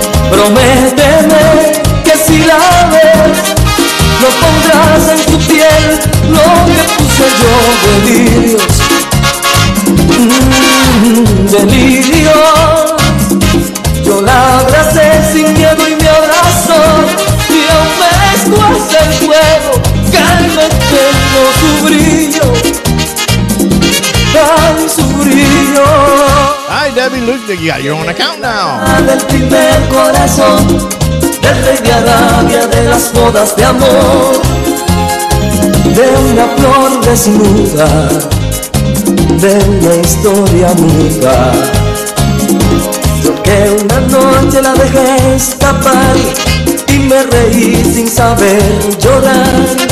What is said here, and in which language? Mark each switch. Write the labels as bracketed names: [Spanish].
[Spanish] Prométeme que si la ves, no pondrás en tu piel lo que puse yo. Delirios, delirios. Yo la abracé sin miedo y me abrazó. Y aún me escuece el fuego, calme tengo su brillo. Ay, su brillo. [English] Hi, Debbie, look, you got your own account now. [Spanish] Del primer corazón, del rey de Arabia, de las bodas de amor, de una flor desnuda, de una historia muda. Porque una noche la dejé escapar y me reí sin saber llorar.